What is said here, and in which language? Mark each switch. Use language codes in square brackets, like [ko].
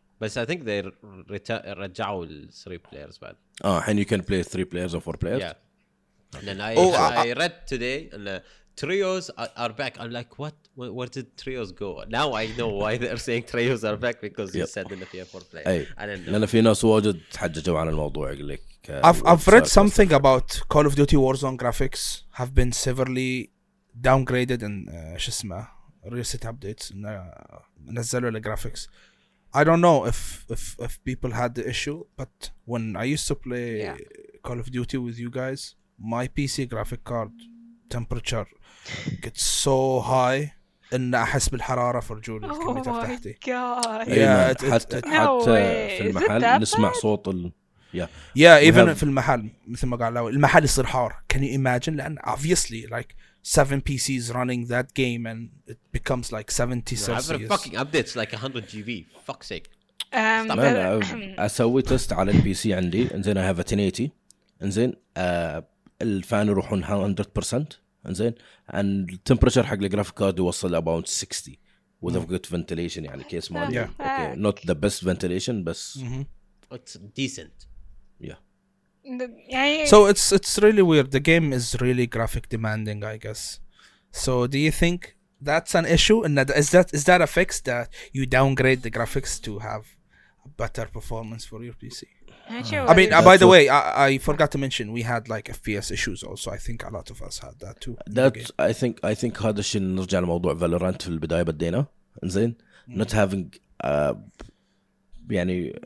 [en] But I think they رجعوا 3 players bad. Oh, and you can play 3 players or 4 players? Yeah. And then I read today and Trios are back. I'm like, what? Where did Trios go? Now I know why they're saying Trios are back, because you said in the PS4 play. [ar] لأن في ناس واجد تحججوا عن الموضوع لك. [en] I've read something about Call of Duty Warzone graphics have been severely downgraded in recent updates. [ar] نزلوا الجرافيكس. [en] I don't know if people had the issue, but when I used to play Call of Duty with you guys, my PC graphic card temperature gets so high [ar] ان احس بالحراره في رجول الكمبيوتر تحتي. [en] Oh my god. [ar] Yeah, حتى في المحل نسمع صوت Yeah, even في المحل مثل ما قال المحل يصير حار. [en] Can you imagine? لأن obviously like 7 PCs running that game and it becomes like 70 Celsius. I've got fucking updates like 100 GB. Fuck's sake. [ar] أسوي تست على البي سي عندي انزين [en] I have a 1080 [ar] انزين الفان يروحون 100% انزين [en] and temperature [ar] حق الجرافيك كارد يوصل [en] about 60 with a good ventilation [ar] يعني كيس مالي okay. [en] not the best ventilation بس it's decent yeah so it's really weird the game is really graphic demanding I guess so do you think that's an issue and is that a fix that you downgrade the graphics to have better performance for your PC. Sure I mean, by the way, I forgot to mention we had like FPS issues also. I think a lot of us had that too. [ar] I think هذا الشيء نرجع لموضوع Valorant في البداية بدينا إنزين [en] not having [ar] يعني